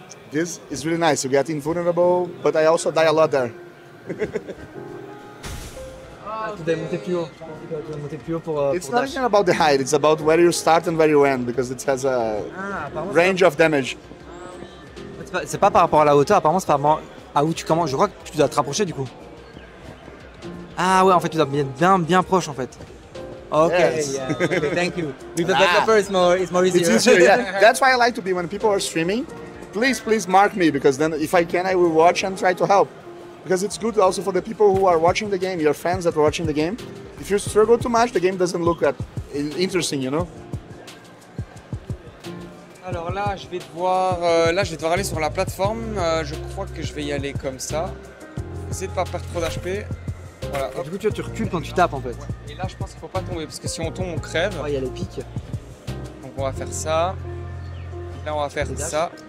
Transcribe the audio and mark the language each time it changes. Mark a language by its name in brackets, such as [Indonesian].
[English] This is really nice, you get invulnerable, but I also die a lot there. It's not even about the height, it's about where you start and where you end, because it has a range of damage. [French] C'est pas par rapport à la hauteur, apparemment c'est par rapport à où tu commences, je crois que tu dois te rapprocher du coup. Ah ouais, en fait, tu dois bien, bien, bien proche en fait. [English] Okay, yes. Thank you. Because the paper is more, easier. It's easier, yeah. That's why I like to be when people are streaming. Please, please mark me, because then if I can, I will watch and try to help. Because it's good also for the people who are watching the game, your fans that are watching the game. If you struggle too much, the game doesn't look that interesting, you know? [French] Alors là, je vais devoir, aller sur la plateforme. Je crois que je vais y aller comme ça. Essayez de pas perdre trop d'HP. Voilà. Et du coup, tu recules quand tu tapes en fait. Ouais. Et là, je pense qu'il faut pas tomber, parce que si on tombe, on crève. Ouais, il y a les pics. Donc on va faire ça. Là, on va faire ça.